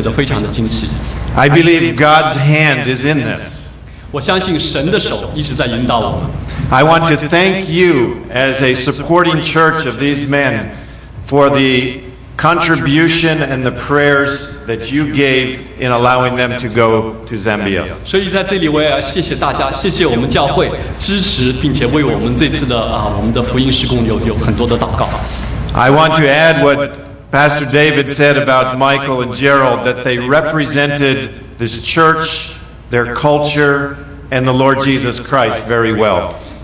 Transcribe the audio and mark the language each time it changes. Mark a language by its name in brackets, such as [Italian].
[Chinese] 所以今天我站在这里，我们的机构跟一个中国人的以中国会众为主的一个教会有这样的合作，一起去赞比亚，大家就不会觉得非常的惊奇。 [English] I believe God's hand is in this. [Chinese] 我相信神的手一直在引导我们。 [English] I want to thank you as a supporting church of these men for the contribution and the prayers that you gave in allowing them to go to Zambia. [Chinese] 所以在这里我也要谢谢大家，谢谢我们教会支持，并且为我们这次的我们的福音施工有很多的祷告。 [English] I want to add what Pastor David said about Michael and Gerald, that they represented this church, their culture, and the Lord Jesus Christ very well.